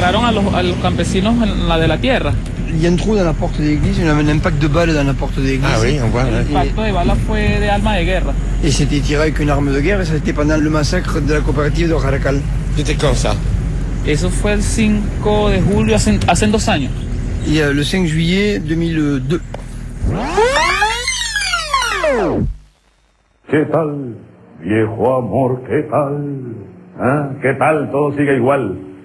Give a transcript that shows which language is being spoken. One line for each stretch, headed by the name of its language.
French: Il y a un trou dans la porte de l'église, il y a un impact de balle dans la porte de l'église. Ah oui, on voit. L'impact de balle
Spanish: fue de arma
French: de guerre. Et c'était tiré avec une arme de guerre et c'était pendant le massacre de la coopérative de Caracal. C'était quand ça ?
Spanish: Eso fue el 5 de julio, hace dos años.
French: Il y a le 5 juillet 2002.
Spanish: Que tal, viejo amor, que tal ? ¿Ah? ¿Qué tal? Todo sigue igual.